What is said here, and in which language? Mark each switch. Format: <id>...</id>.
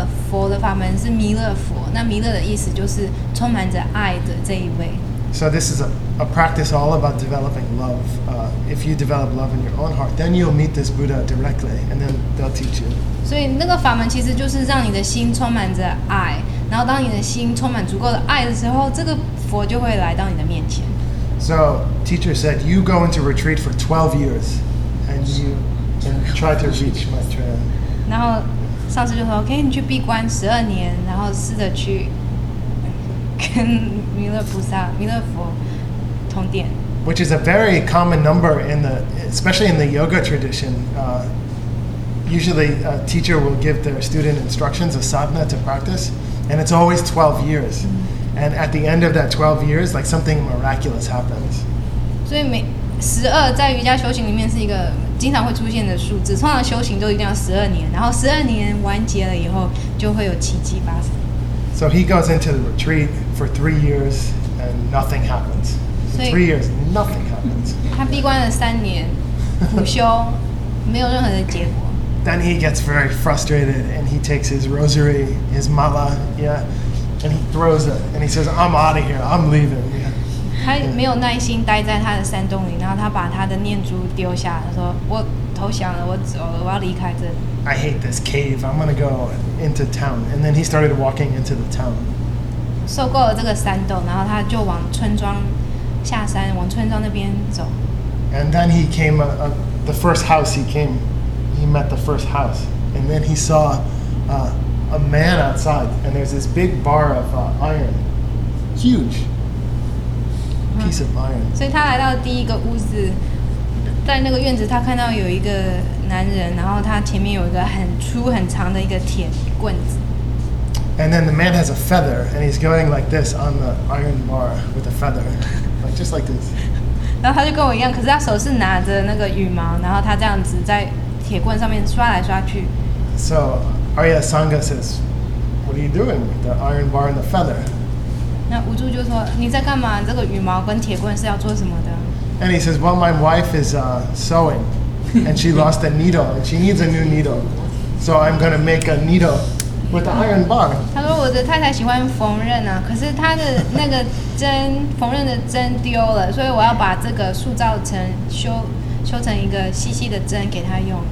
<zh>佛的法门是弥勒佛，那弥勒的意思就是充满着爱的这一位。</zh> <en>So this is a practice all about developing love. If you develop love in your own heart, then you'll meet this Buddha directly, and then they'll teach you.</en> <zh>所以那个法门其实就是让你的心充满着爱，然后当你的心充满足够的爱的时候，这个佛就会来到你的面前。</zh> <en>So teacher said, you go into retreat for 12 years, and you can try to reach my train.</en> <zh>然后上次就说 ，OK， 你去闭关十二年，然后试着去。跟弥勒菩萨、弥勒佛同殿</zh> <en>，which is a very common number in the, especially in the yoga tradition. Usually, a teacher will give their student instructions, a sadhana to practice, and it's always 12 years. And at the end of that 12 years, like something miraculous happens.</en> <zh>所以每十二在瑜伽修行里面是一个经常会出现的数字，通常修行都一定要十二年，然后十二年完结了以后，就会有奇迹发生。</zh> <en>So he goes into the retreat for 3 years and nothing happens. For 3 years, nothing happens.</en> <zh>他闭关了三年，苦修，没有任何的结果。</zh> <en>Then he gets very frustrated and he takes his rosary, his mala, yeah, and he throws it and he says, "I'm out of here. I'm leaving." Yeah.</en> <zh>他没有耐心待在他的山洞里，然后他把他的念珠丢下，他说，我投降了，我走了，我要离开这里。</zh> <en>I hate this cave. I'm gonna go into town. And then he started walking into the town.</en> <zh>受够了这个山洞，然后他就往村庄下山，往村庄那边走。</zh> <en>And then he came, the first house he came, he met the first house. And then he saw a man outside, and there's this big bar of iron. Huge piece of iron.</en> <zh>所以他来到第一个屋子，在那个院子他看到有一个男人，然后他前面有一个很粗很长的一个铁棍子。</zh> <en>And then the man has a feather, and he's going like this on the iron bar with a feather, like just like this.</en> <zh>然后他就跟我一样，可是他手是拿着那个羽毛，然后他这样子在铁棍上面刷来刷去。</zh> <en>So Arya Sangha says, "What are you doing with the iron bar and the feather?"</en> <zh>那无助就说，你在干嘛？这个羽毛跟铁棍是要做什么的</zh> <en>？And he says, "Well, my wife is sewing." And she lost a needle, and she needs a new needle. So I'm gonna make a needle with an iron bar.</en> <zh>他说我的太太喜欢缝纫啊，可是她的那个针，缝纫的针丢了，所以我要把这个塑造成修成一个细细的针给她用。</zh>